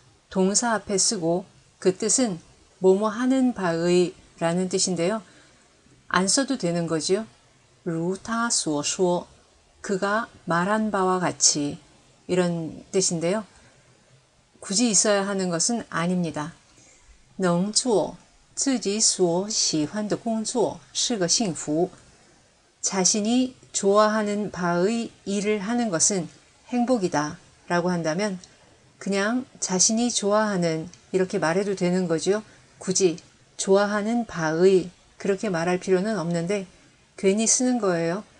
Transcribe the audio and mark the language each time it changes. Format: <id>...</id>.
<ko>동사 앞에 쓰고 그 뜻은 뭐뭐 하는 바의 라는 뜻인데요. 안 써도 되는 거지요? 루타 수어 수어. 그가 말한 바와 같이 이런 뜻인데요. 굳이 있어야 하는 것은 아닙니다.</ko> <zh>能做自己所喜欢的工作是个幸福。</zh> <ko>자신이 좋아하는 바의 일을 하는 것은 행복이다 라고 한다면 그냥 자신이 좋아하는 이렇게 말해도 되는 거죠. 굳이 좋아하는 바의 그렇게 말할 필요는 없는데 괜히 쓰는 거예요.</ko>